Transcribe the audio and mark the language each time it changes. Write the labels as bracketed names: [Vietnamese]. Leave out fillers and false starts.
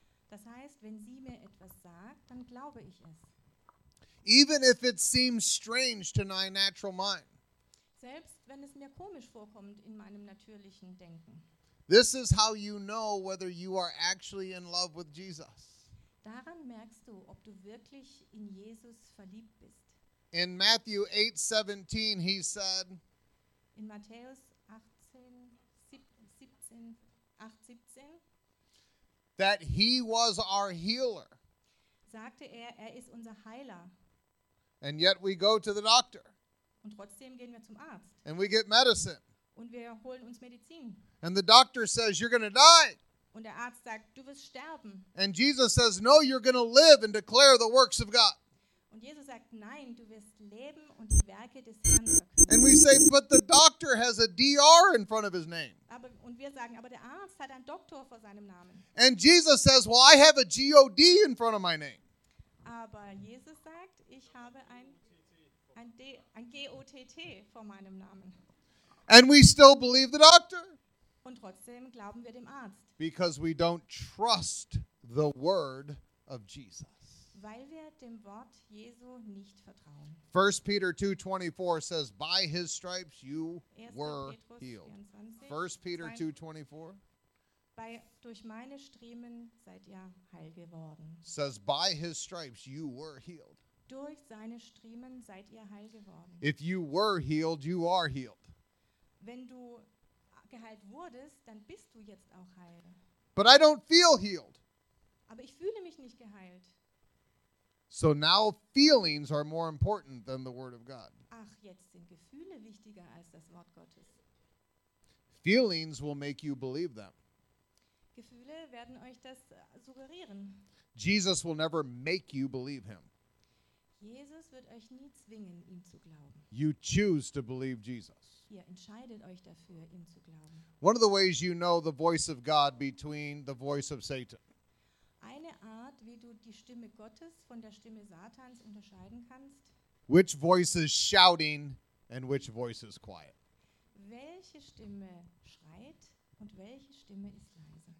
[German] Das heißt, wenn sie mir etwas sagt, dann glaube ich es. [English] Even if it seems strange to my natural mind. [German] Selbst wenn es mir komisch vorkommt in meinem natürlichen Denken. [English] This is how you know whether you are actually in love with Jesus. [German] Daran merkst du, ob du wirklich in Jesus verliebt bist. [English] In Matthew 8:17 he said. [German] In Matthäus 8:17. [English] That he was our healer. [German] Sagte er, er ist unser Heiler. [English] And yet we go to the doctor. [German] Und trotzdem gehen wir zum Arzt. [English] And we get medicine. [German] Und wir holen uns Medizin. [English] And the doctor says, you're going to die. [German] Und der Arzt sagt, du wirst sterben. [English] And Jesus says, no, you're going to live and declare the works of God. [German] Und Jesus sagt, nein, du wirst leben und die Werke des Herrn verkünden. [English] And we say, but the doctor has a DR in front of his name. [German] Aber, und wir sagen, aber der Arzt hat einen Doktor vor seinem Namen. [English] And Jesus says, well, I have a G-O-D in front of my name. [German] Aber Jesus sagt, ich habe ein G-O-T-T vor meinem Namen. [English] And we still believe the doctor. [German] Und trotzdem glauben wir dem Arzt. [English] Because we don't trust the word of Jesus. [German] Weil wir dem Wort Jesu nicht vertrauen. [English] 1 Peter 2:24 says, by his stripes you were healed. 1 Peter 2:24. [German] Durch meine Striemen seid ihr heil geworden. [English] Says, by his stripes you were healed. [German] Durch seine Striemen seid ihr heil geworden. [English] If you were healed, you are healed. [German] Wenn du geheilt wurdest, dann bist du jetzt auch heil. [English] But I don't feel healed. [German] Aber ich fühle mich nicht geheilt. [English] So now feelings are more important than the word of God. [German] Ach, jetzt sind Gefühle wichtiger als das Wort Gottes. [English] Feelings will make you believe them. [German] Gefühle werden euch das suggerieren. [English] Jesus will never make you believe him. [German] Jesus wird euch nie zwingen, ihm zu glauben. [English] You choose to believe Jesus. [German] Ihr entscheidet euch dafür, ihm zu glauben. [English] One of the ways you know the voice of God between the voice of Satan. [German] Eine Art, wie du die Stimme Gottes von der Stimme Satans unterscheiden kannst. [English] Which voice is shouting and which voice is quiet? [German] Welche Stimme schreit und welche Stimme ist leise?